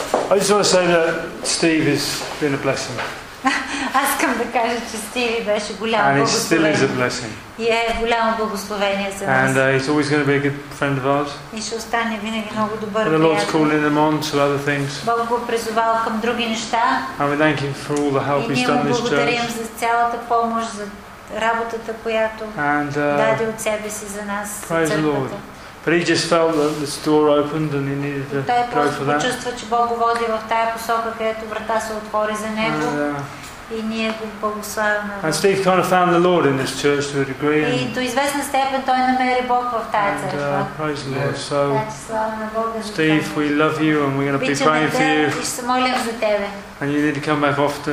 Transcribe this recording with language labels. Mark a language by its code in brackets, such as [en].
[en] I just want to say that Steve has been a blessing. [bg] Аз искам да кажа, че Стиви беше голямо благословение. [en] And he still is a blessing. [bg] И е голямо благословение за нас. [en] And he's always going to be a good friend of ours. [bg] И ще остане винаги много добър приятел. [en] And the Lord's calling him on to other things. [bg] Бог го призовал към други неща. [en] And we thank him for all the help he's done this church. [bg] И ние му благодарим за цялата помощ, за работата, която даде от себе си за нас. [en] Praise the Lord. But he just felt that this door opened and he needed to go for that. [bg] Чувства, че Бог го води в тая посока, където врата се отвори за него. [en] And Steve kind of found the Lord in this church to a degree. And [bg] до известна степен той намери Бог в тази църква. [en] Praise the Lord. So, Steve, we love you and we're going to be praying for you. [bg] И ще се молим за тебе. [en] And you need to come back often.